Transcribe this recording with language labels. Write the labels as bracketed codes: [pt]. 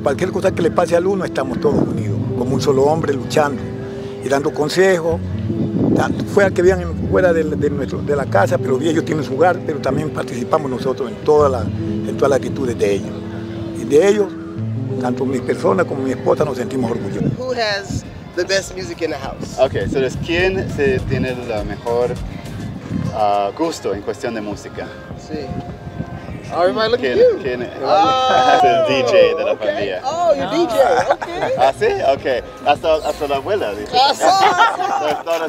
[es] Cualquier cosa que le pase al uno, estamos todos unidos, como un solo hombre luchando y dando consejos. Fuera que vean fuera de la casa, pero ellos tienen su hogar, pero también participamos nosotros en todas las actitudes de ellos. Y de ellos, tanto mi persona como mi esposa nos sentimos orgullosos. [en] Who has the best music in the house? Okay, so there's [es] quien se tiene el mejor gusto en cuestión de música. [en] Sí. Oh, am I looking at you? [es] Quien, oh, es el DJ de la familia. [en] Oh, you're DJ, okay. [es] Ah, sí? Okay. Hasta la abuela, dice. Hasta la abuela.